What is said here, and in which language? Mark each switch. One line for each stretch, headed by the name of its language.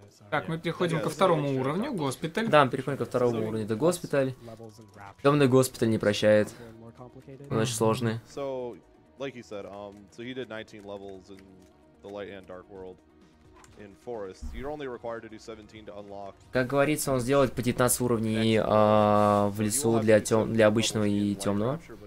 Russian: Так, мы переходим ко второму уровню, госпиталь. Да, мы переходим ко второму уровню, это госпиталь. Темный госпиталь не прощает. Он очень сложный.
English: So, like you said, so he did 19 levels in the light and dark world. In forest, you're only required to do 17 to unlock.
Russian: Как говорится, он сделает по 19 уровней в лесу для для обычного и темного.